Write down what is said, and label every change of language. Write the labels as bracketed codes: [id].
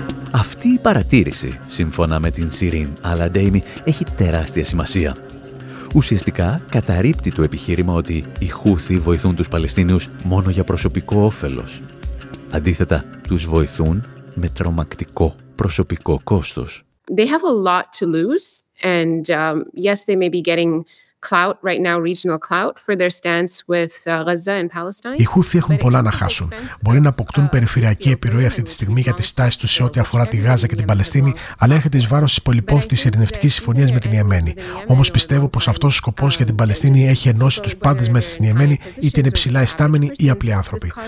[el] Αυτή η παρατήρηση, σύμφωνα με την Σιρίν Αλαντέιμι, έχει τεράστια σημασία. Ουσιαστικά καταρρύπτει το επιχείρημα ότι οι Χούθοι βοηθούν τους Παλαιστίνιους μόνο για προσωπικό όφελος. Αντίθετα, τους βοηθούν με τρομακτικό προσωπικό κόστος. [en] They have a lot to lose. And yes, they may be getting clout right now, regional clout for their stance with Gaza and Palestine. [el] Οι Χούθοι έχουν πολλά να χάσουν. Μπορεί να αποκτούν περιφερειακή επιρροή αυτή τη στιγμή για τη στάση τους σε ό,τι αφορά τη Γάζα και την Παλαιστίνη, αλλά έρχεται εις βάρος της πολυπόθητης ειρηνευτικής συμφωνίας με την Ιεμένη. Όμως πιστεύω πως αυτός ο σκοπός για την Παλαιστίνη έχει ενώσει τους πάντες μέσα στην Ιεμένη, είτε είναι ψηλά ιστάμενοι ή απλοί άνθρωποι.